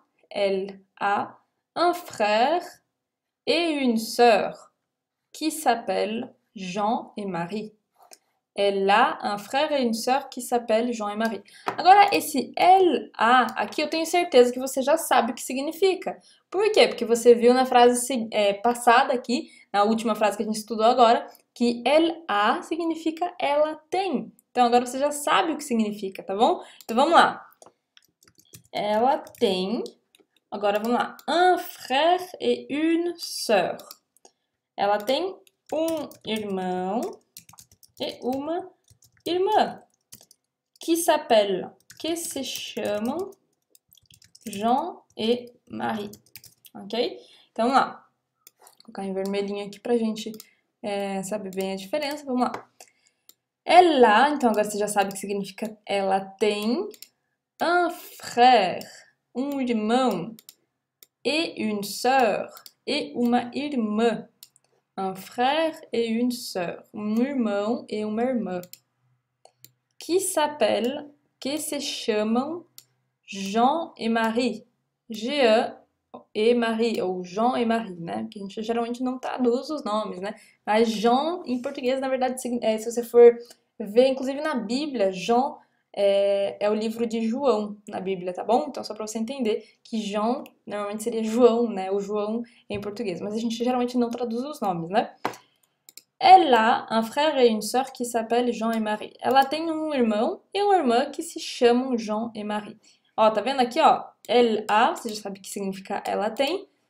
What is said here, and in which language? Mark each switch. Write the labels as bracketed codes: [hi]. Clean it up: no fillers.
[fr] Elle a un frère et une sœur qui s'appellent Jean et Marie. Elle a un frère et une sœur qui s'appellent Jean et Marie. [pt] Agora, esse elle a, aqui eu tenho certeza que você já sabe o que significa. Por quê? Porque você viu na frase passada aqui, na última frase que a gente estudou agora, que ela a significa ela tem. Então agora você já sabe o que significa, tá bom? Então vamos lá. Ela tem. Agora vamos lá. [fr] Un frère et une sœur. [pt] Ela tem um irmão e uma irmã que s'appellent, que se chamam Jean et Marie. Ok? Então vamos lá. Vou colocar em vermelhinho aqui pra gente. Sabe bem a diferença? Vamos lá. Ela, então agora você já sabe o que significa ela tem [fr] un frère, [pt] um irmão, [fr] et une sœur, [pt] et uma irmã. [fr] Un frère et une sœur, [pt] um irmão e uma irmã. [fr] Qui s'appelle, [pt] que se chamam Jean et Marie. Jean e Marie, ou Jean e Marie, né? Que a gente geralmente não traduz os nomes, né? Mas Jean, em português, na verdade, se você for ver, inclusive na Bíblia, Jean é o livro de João na Bíblia, tá bom? Então, só para você entender que Jean normalmente seria João, né? O João em português. Mas a gente geralmente não traduz os nomes, né? [fr] Elle a un frère et une sœur qui s'appellent Jean et Marie. [pt] Ela tem um irmão e uma irmã que se chamam Jean et Marie. Ó, tá vendo aqui, ó? Elle a, você já sabe o que significa ela tem.